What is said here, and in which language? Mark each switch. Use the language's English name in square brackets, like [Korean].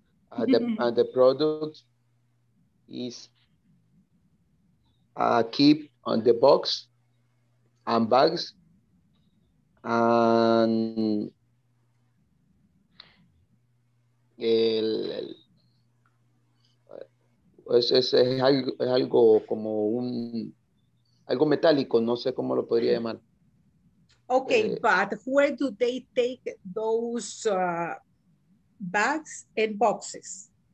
[English] The product is keep on the box and bags and el, [Spanish] es algo como un algo metálico, no sé cómo lo podría llamar. [English] Okay, but where do they take those bags and boxes?